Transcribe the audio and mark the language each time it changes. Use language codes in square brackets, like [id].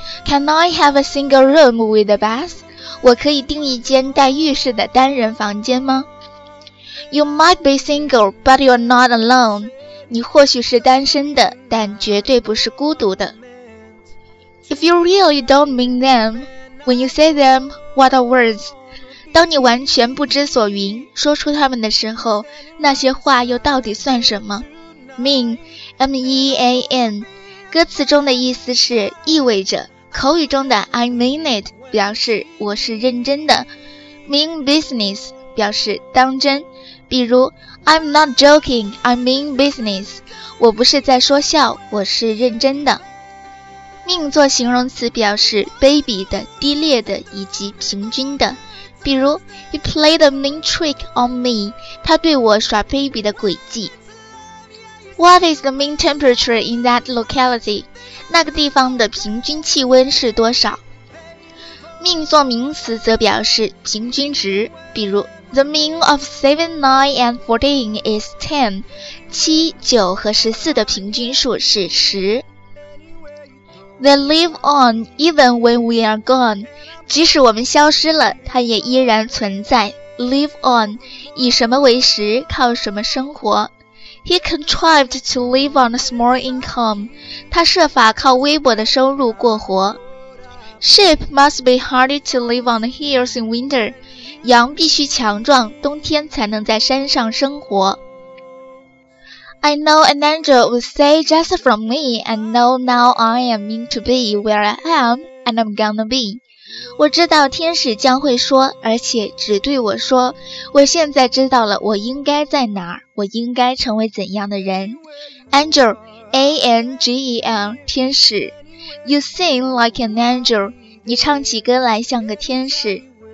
[en] Can I have a single room with a bath? [zh] 我可以订一间带浴室的单人房间吗？ [en] You might be single, but you're not alone. [zh] 你或许是单身的，但绝对不是孤独的。 [en] If you really don't mean them, when you say them, what are words? [zh] 当你完全不知所云，说出他们的时候，那些话又到底算什么？ Mean, M-E-A-N, 歌词中的意思是意味着，口语中的 [en] I mean it, [zh] 表示我是认真的。 [en] Mean business, [zh] 表示当真。比如 [en] I'm not joking, I mean business. [zh] 我不是在说笑，我是认真的。命作形容词表示卑鄙的、低劣的以及平均的。比如 [en] He played a mean trick on me. [zh] 他对我耍卑鄙的诡计。 [en] What is the mean temperature in that locality? [zh] 那个地方的平均气温是多少？命作名词则表示平均值。 [en] 比如The mean of 7, 9 and 14 is 10. [zh] 7, 9和14的平均数是10. [en] They live on even when we are gone. [zh] 即使我们消失了，它也依然存在。 Live on, 以什么为食，靠什么生活。 [en] He contrived to live on a small income. [zh] 他设法靠微薄的收入过活。 [en] Sheep must be hardy to live on the hills in winter. [zh] 羊必须强壮，冬天才能在山上生活。 [en] I know an angel would say just from me, and know now I am meant to be where I am, and I'm gonna be. [zh] 我知道天使将会说，而且只对我说，我现在知道了我应该在哪儿，我应该成为怎样的人。 Angel, A-N-G-E-L, 天使。 [en] You sing like an angel, [zh] 你唱起歌来像个天使。